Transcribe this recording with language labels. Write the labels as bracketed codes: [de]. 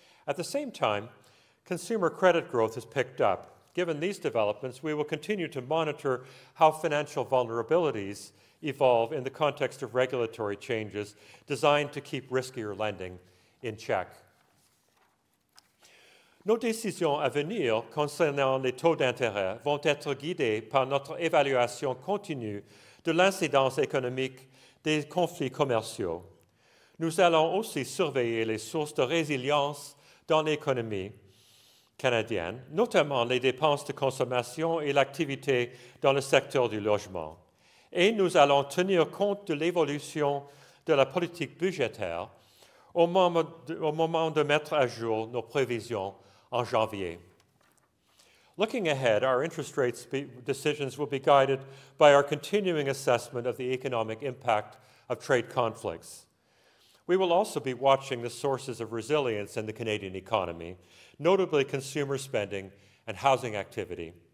[en] At the same time, consumer credit growth has picked up. Given these developments, we will continue to monitor how financial vulnerabilities evolve in the context of regulatory changes designed to keep riskier lending in check. [fr] Nos décisions à venir concernant les taux d'intérêt vont être guidées par notre évaluation continue de l'incidence économique des conflits commerciaux. Nous allons aussi surveiller les sources de résilience dans l'économie canadienne, notamment les dépenses de consommation et l'activité dans le secteur du logement. Et nous allons tenir compte de l'évolution de la politique budgétaire au moment de mettre à jour nos prévisions en janvier. [en] Looking ahead, our interest rate decisions will be guided by our continuing assessment of the economic impact of trade conflicts. We will also be watching the sources of resilience in the Canadian economy, notably consumer spending and housing activity.